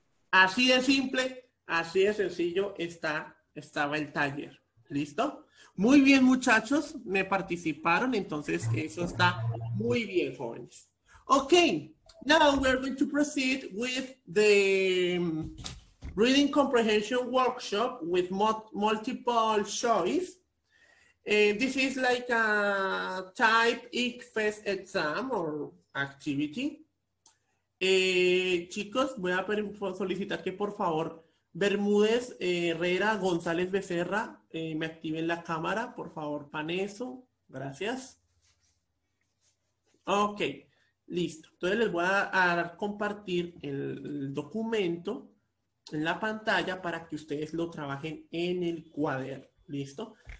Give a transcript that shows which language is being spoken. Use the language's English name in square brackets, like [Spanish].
[Spanish] Así de simple, así de sencillo estaba el taller. ¿Listo? Muy bien, muchachos, me participaron, entonces eso está muy bien, jóvenes. [English] Ok, now we're going to proceed with the Reading Comprehension Workshop with multiple choice. This is like a type ICFES exam or activity. [Spanish] Chicos, voy a solicitar que por favor Bermúdez, Herrera, González Becerra, me activen la cámara, por favor, Paneso. Gracias. Ok, listo. Entonces les voy a compartir el documento en la pantalla para que ustedes lo trabajen en el cuaderno. ¿Listo?